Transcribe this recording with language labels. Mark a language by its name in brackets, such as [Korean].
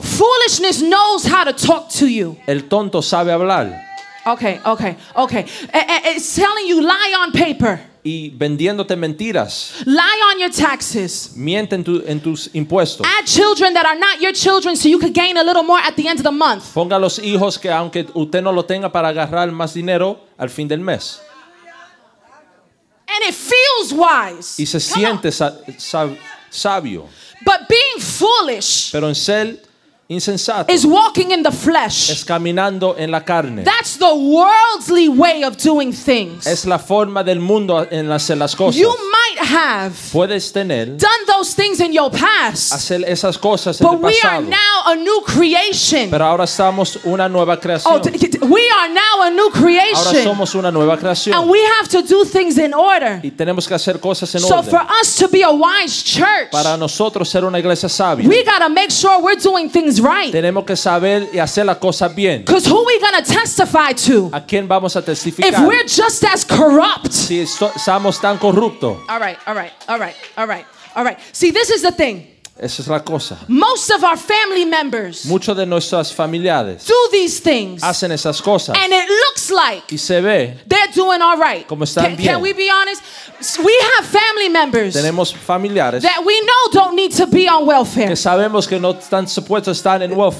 [English] Foolishness knows how to talk to you. [Spanish] El tonto sabe hablar. [English] Okay. It's telling you lie on paper. [Spanish] Y vendiéndote mentiras. [English] Lie on your taxes. [Spanish] Miente en tus impuestos. [English] Add children that are not your children so you could gain a little more at the end of the month. [Spanish] Ponga los hijos que aunque usted no lo tenga para agarrar más dinero al fin del mes. [English] And it feels wise. [Spanish] Y se siente sabio. [English] But being foolish. [Spanish] Pero en ser insensato. [English] Is walking in the flesh. [Spanish] Es caminando en la carne. [English] That's the worldly way of doing things. [Spanish] Es la forma del mundo en hacer las cosas. [English] You might have. [Spanish] Puedes tener. [English] Done the those things in your past. [Spanish] Hacer esas cosas [English] but [Spanish] en [English] we [Spanish] el pasado. [English] Are now a new creation. [Spanish] Pero ahora estamos una nueva creación. [English] Oh, we are now a new creation. [Spanish] Ahora somos una nueva creación. [English] And we have to do things in order. [Spanish] Y tenemos que hacer cosas en [English] so [Spanish] orden. [English] For us to be a wise church, [Spanish] para nosotros ser una iglesia sabia, [English] we got to make sure we're doing things right. [Spanish] Tenemos que saber y hacer las cosas bien. [English] Because who are we going to testify to? [Spanish] ¿A quién vamos a testificar? [English] If we're just as corrupt. [Spanish] Si estamos tan corruptos. [English] All right, all right, all right, all right. All right. See, this is the thing. [Spanish] Esa es la cosa. [English] Most of our family members. [Spanish] Muchos de nuestras familiares. [English] Do these things. [Spanish] Hacen esas cosas. [English] And it looks like. [Spanish] Y se ve. [English] They're doing all right. [Spanish] Como están bien. [English] Can we be honest? We have family members. [Spanish] Tenemos familiares. [English] That we know don't need to be on welfare. [Spanish] Que sabemos que no están supuestos estar en welfare.